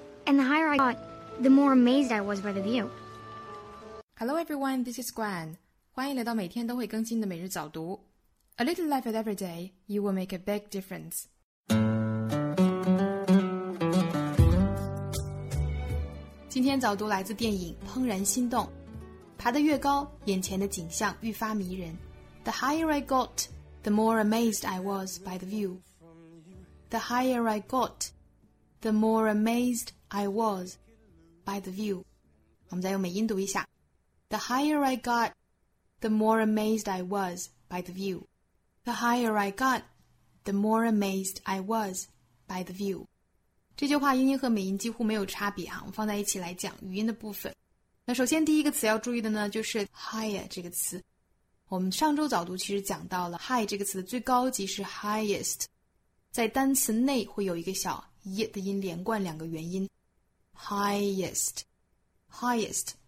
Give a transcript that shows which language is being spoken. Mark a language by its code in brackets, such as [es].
[en] And the higher I got, the more amazed I was by the view. Hello everyone, this is Gwen. [zh] 欢迎来到每天都会更新的每日早读。 [en] A little effort every day, you will make a big difference. [zh] 今天早读来自电影《怦然心动》，爬得越高，眼前的景象愈发迷人。 [en] The higher I got, the more amazed I was by the view. The higher I got, the more amazed I was by the view. [zh] 我们再用美音读一下。 [en] The higher I got, the more amazed I was by the view. The higher I got, the more amazed I was by the view. [zh] 这句话英音和美音几乎没有差别啊，我们放在一起来讲语音的部分。那首先第一个词要注意的呢，就是 higher 这个词。我们上周早读其实讲到了 high 这个词的最高级是 highest， 在单词内会有一个小 y 的音连贯两个元音 ，highest，highest highest。